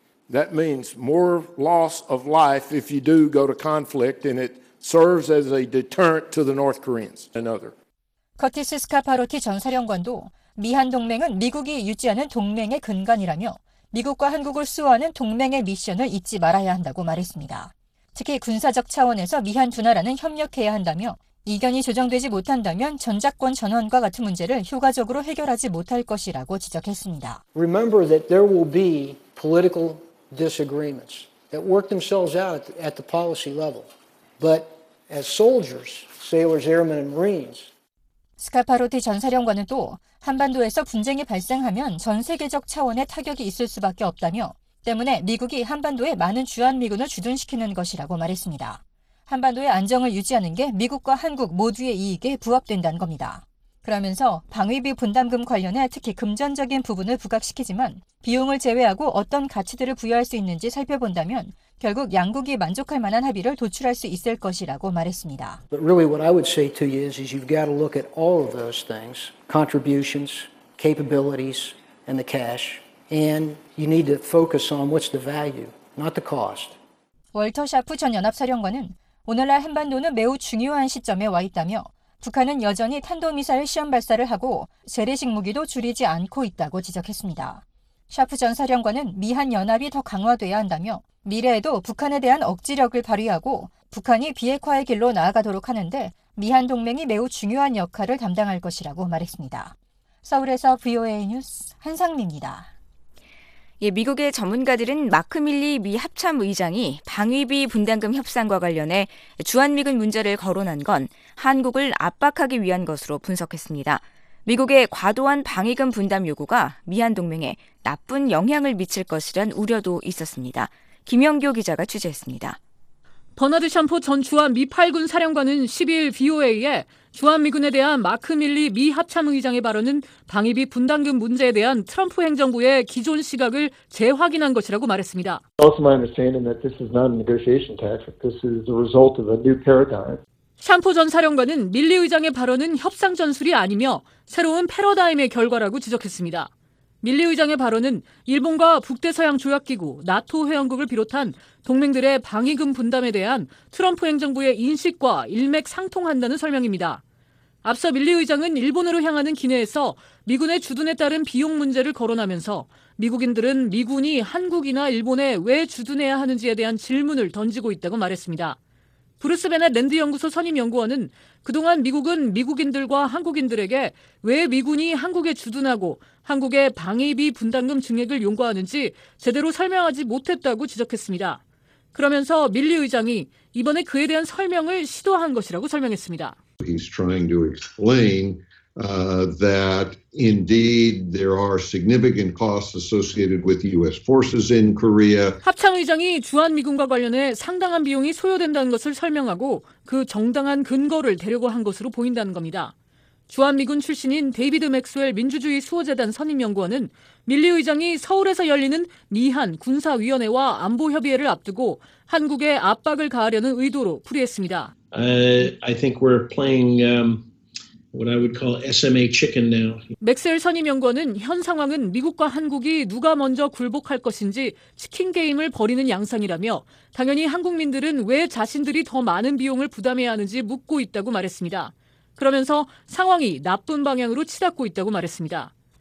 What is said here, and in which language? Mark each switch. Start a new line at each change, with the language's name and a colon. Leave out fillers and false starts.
English: That means more loss of life if you do go to conflict and it serves as a deterrent to the North Koreans and other.
Korean: 커티스 스카파로티 전 사령관도 미한동맹은 미국이 유지하는 동맹의 근간이라며 미국과 한국을 수호하는 동맹의 미션을 잊지 말아야 한다고 말했습니다. 특히 군사적 차원에서 미한 두 나라는 협력해야 한다며 이견이 조정되지 못한다면 전작권 전환과 같은 문제를 효과적으로 해결하지 못할 것이라고 지적했습니다.
English: Remember that there will be political disagreements that work themselves out at the policy level. But as soldiers, sailors, airmen, and marines,
Korean: 스카파로티 전 사령관은 또 한반도에서 분쟁이 발생하면 전 세계적 차원의 타격이 있을 수밖에 없다며 때문에 미국이 한반도에 많은 주한미군을 주둔시키는 것이라고 말했습니다. 한반도의 안정을 유지하는 게 미국과 한국 모두의 이익에 부합된다는 겁니다. 그러면서 방위비 분담금 관련해 특히 금전적인 부분을 부각시키지만 비용을 제외하고 어떤 가치들을 부여할 수 있는지 살펴본다면 결국 양국이 만족할 만한 합의를 도출할 수 있을 것이라고 말했습니다.
English: But really what I would say to you is you've got to look at all of those things, contributions, capabilities, and the cash, and you need to focus on what's the value, not the cost.
Korean: 월터 샤프 전 연합사령관은 오늘날 한반도는 매우 중요한 시점에 와 있다며 북한은 여전히 탄도미사일 시험 발사를 하고 재래식 무기도 줄이지 않고 있다고 지적했습니다. 샤프 전 사령관은 미한 연합이 더 강화돼야 한다며 미래에도 북한에 대한 억지력을 발휘하고 북한이 비핵화의 길로 나아가도록 하는데 미한 동맹이 매우 중요한 역할을 담당할 것이라고 말했습니다. 서울에서 VOA 뉴스 한상미입니다. 예, 미국의 전문가들은 마크 밀리 미 합참 의장이 방위비 분담금 협상과 관련해 주한미군 문제를 거론한 건 한국을 압박하기 위한 것으로 분석했습니다. 미국의 과도한 방위금 분담 요구가 미한 동맹에 나쁜 영향을 미칠 것이란 우려도 있었습니다. 김영교 기자가 취재했습니다. 버나드 샴포 전 주한 미 8군 사령관은 12일 VOA에 주한미군에 대한 마크 밀리 미 합참의장의 발언은 방위비 분담금 문제에 대한 트럼프 행정부의 기존 시각을 재확인한 것이라고 말했습니다.
English: Also my understanding that this is not a negotiation tactic. This is the result of a new paradigm.
Korean: 샴포 전 사령관은 밀리 의장의 발언은 협상 전술이 아니며 새로운 패러다임의 결과라고 지적했습니다. 밀리 의장의 발언은 일본과 북대서양 조약기구, 나토 회원국을 비롯한 동맹들의 방위금 분담에 대한 트럼프 행정부의 인식과 일맥 상통한다는 설명입니다. 앞서 밀리 의장은 일본으로 향하는 기내에서 미군의 주둔에 따른 비용 문제를 거론하면서 미국인들은 미군이 한국이나 일본에 왜 주둔해야 하는지에 대한 질문을 던지고 있다고 말했습니다. 브루스 베넷 랜드 연구소 선임 연구원은 그동안 미국은 미국인들과 한국인들에게 왜 미군이 한국에 주둔하고 한국의 방위비 분담금 증액을 용과하는지 제대로 설명하지 못했다고 지적했습니다. 그러면서 밀리 의장이 이번에 그에 대한 설명을 시도한 것이라고 설명했습니다.
English: He's trying to explain that indeed there are significant costs associated with U.S. forces in Korea.
Korean: 합참의장이 주한미군과 관련해 상당한 비용이 소요된다는 것을 설명하고 그 정당한 근거를 대려고 한 것으로 보인다는 겁니다. 주한미군 출신인 데이비드 맥스웰 민주주의 수호재단 선임연구원은 밀리 의장이 서울에서 열리는 미한 군사위원회와 안보협의회를 앞두고 한국에 압박을 가하려는 의도로 풀이했습니다.
English: I think we're playing what I would call SMA chicken now.
Korean: 맥스웰 선임연구원은 현 상황은 미국과 한국이 누가 먼저 굴복할 것인지 치킨 게임을 벌이는 양상이라며 당연히 한국민들은 왜 자신들이 더 많은 비용을 부담해야 하는지 묻고 있다고 말했습니다. 그러면서 상황이 나쁜 방향으로 치닫고 있다고 말했습니다.